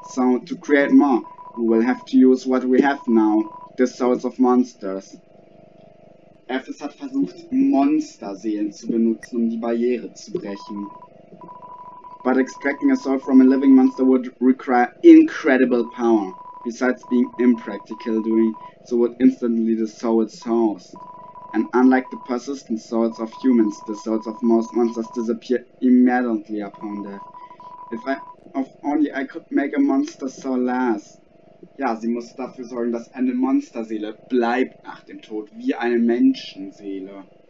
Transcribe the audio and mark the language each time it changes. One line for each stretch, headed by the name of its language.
English: So, to create more, we will have to use what we have now, the souls of monsters.
German: Elvis hat versucht, Monsterseelen zu benutzen, um die Barriere zu brechen.
English: But extracting a soul from a living monster would require incredible power. Besides being impractical, doing so would instantly the soul's source. And unlike the persistent souls of humans, the souls of most monsters disappear immediately upon death. If only I could make a monster soul last.
German: Ja, sie muss dafür sorgen, dass eine Monsterseele bleibt nach dem Tod, wie eine Menschenseele.